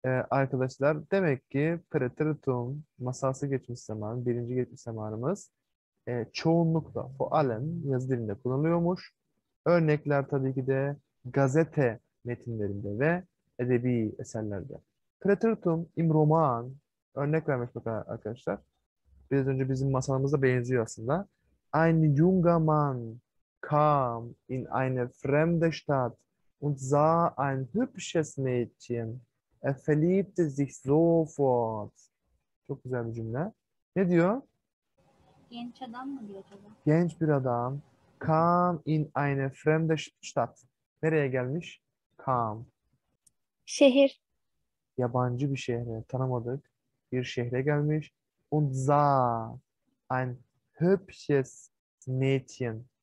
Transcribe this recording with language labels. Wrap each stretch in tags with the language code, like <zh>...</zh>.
<tr>Arkadaşlar demek ki Preteritum masası geçmiş zaman, birinci geçmiş zamanımız çoğunlukla fualen yazı dilinde kullanılıyormuş. Örnekler tabii ki de gazete metinlerinde ve edebi eserlerde.</tr> <de>Preteritum im Roman</de> <tr>örnek vermek bakalım arkadaşlar. Biraz önce bizim masalımıza benziyor aslında.</tr> <de>Ein junger Mann kam in eine fremde Stadt und sah ein hübsches Mädchen. Er verliebte sich sofort.</de> <tr>Çok güzel bir cümle. Ne diyor? Genç adam mı diyor acaba? Genç bir adam.</tr> <de>Kam in eine fremde Stadt.</de> <tr>Nereye gelmiş? Kam. Şehir. Yabancı bir şehre, tanımadık bir şehre gelmiş.</tr> <de>Und sah ein hübsches Mädchen.</de>